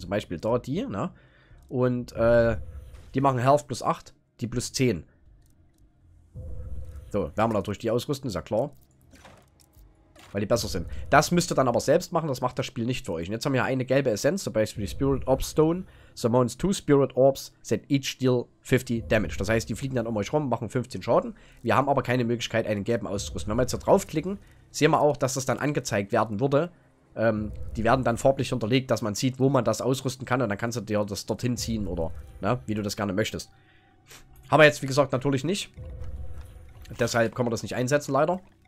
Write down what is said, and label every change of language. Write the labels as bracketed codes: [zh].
[de] Zum Beispiel da die, ne? Und die machen Health plus 8, die plus 10. So, werden wir natürlich die ausrüsten, ist ja klar. Weil die besser sind. Das müsst ihr dann aber selbst machen, das macht das Spiel nicht für euch. Und jetzt haben wir eine gelbe Essenz, zum Beispiel die Spirit Orb Stone. [en] Summons two Spirit Orbs that each deal 50 Damage. [de] Das heißt, die fliegen dann um euch rum, machen 15 Schaden. Wir haben aber keine Möglichkeit, einen gelben auszurüsten. Wenn wir jetzt da draufklicken, sehen wir auch, dass das dann angezeigt werden würde. Die werden dann farblich unterlegt, dass man sieht, wo man das ausrüsten kann. Und dann kannst du dir das dorthin ziehen oder ne, wie du das gerne möchtest. Aber jetzt, wie gesagt, natürlich nicht. Deshalb kann man das nicht einsetzen, leider.